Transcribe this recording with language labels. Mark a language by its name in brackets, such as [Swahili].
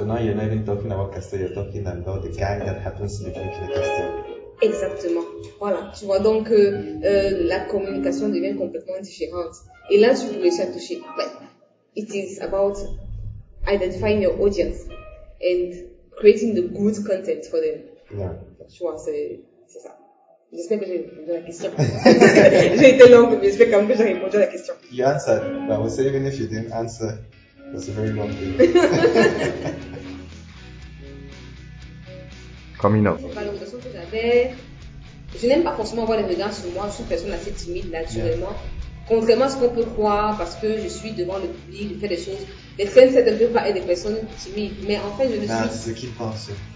[English] So now you're not even talking about Castor, you're talking about the gang that happens to be drinking the Castor. [French] Exactement. Voilà. Tu vois donc la communication devient complètement différente. Et là tu peux réussir à toucher. [English] But it is about identifying your audience and creating the good content for them. Yeah. [French] Tu vois, c'est ça. J'espère que j'ai répondu à la question. J'ai été longue, mais j'espère quand même que j'ai répondu à la question. [English] You answered. But I would say even if you didn't answer, it was a very long day. Coming up. [French] La conversation que j'avais, je n'aime pas forcément avoir les regards sur moi, je suis une personne assez timide naturellement. Yeah. Contrairement à ce qu'on peut croire, parce que je suis devant le public, je fais des choses. Les scènes, c'est un peu pas être des personnes timides, mais en fait, je le suis. C'est ce qu'ils pensent.